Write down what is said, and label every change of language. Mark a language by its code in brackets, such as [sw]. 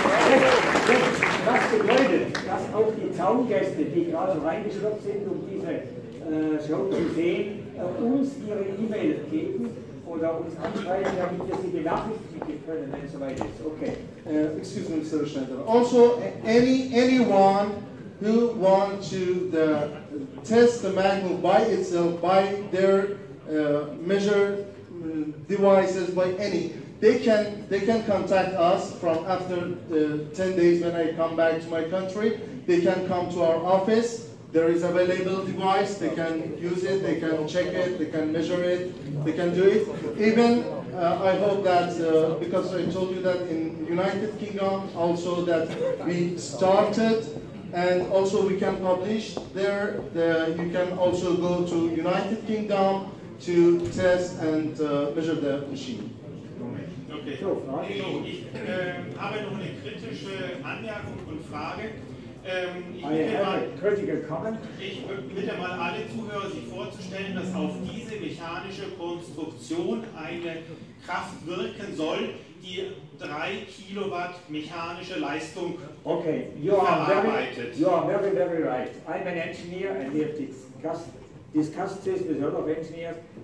[de] Das bedeutet, dass auch die Zaungäste, die gerade reingeschlüpft sind, um diese Show zu sehen, uns ihre E-Mail geben oder uns anschreiben, damit wir sie benachrichtigen können, wenn es soweit ist. [en] Okay. Excuse me, Mr. Schneider. Also, anyone who wants to test the Magmov by itself, by their measure devices, by any. They can contact us from after 10 days when I come back to my country. They can come to our office. There is available device. They can use it. They can check it. They can measure it. They can do it. Even I hope that because I told you that in United Kingdom also that we started and also we can publish there. You can also go to United Kingdom to test and measure the machine. Okay. [de] Hallo, ich habe noch eine kritische Anmerkung und Frage. Ich bitte mal alle Zuhörer, sich vorzustellen, dass auf diese mechanische Konstruktion eine Kraft wirken soll, die 3 Kilowatt mechanische Leistung verarbeitet. [en] You are very, very right. I'm an engineer and we have discussed this with a lot of engineers.